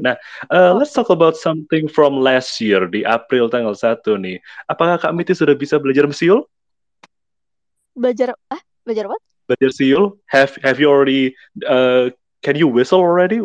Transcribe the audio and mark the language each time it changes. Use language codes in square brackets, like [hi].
[en] Nah, let's talk about something from last year [id] di April tanggal 1 nih. Apakah Kak Mitia sudah bisa belajar mesiul? Belajar belajar apa? Belajar siul? [en] Have you already can you whistle already?